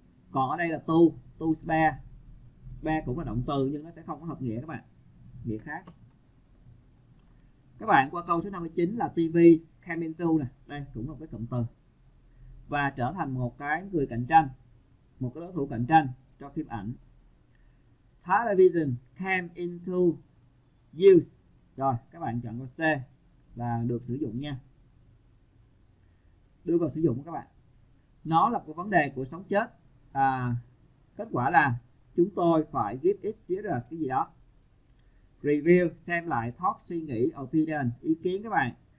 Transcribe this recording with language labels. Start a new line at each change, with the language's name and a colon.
Vietnamese: Còn ở đây là to spare. Spare cũng là động từ nhưng nó sẽ không có hợp nghĩa các bạn. Nghĩa khác. Các bạn qua câu số 59 là
English: TV came into
Vietnamese: nè. Đây cũng là một cái cụm từ. Và trở thành một cái người cạnh tranh, một cái đối thủ cạnh tranh cho phim ảnh.
English: Television came into use.
Vietnamese: Rồi các bạn chọn câu C là được sử dụng nha. Đưa vào sử dụng các bạn. Nó là một vấn đề của sống chết. Kết quả là chúng tôi phải
English: give it serious
Vietnamese: cái gì đó. Review, xem lại, thoát suy nghĩ, opinion, ý kiến các bạn.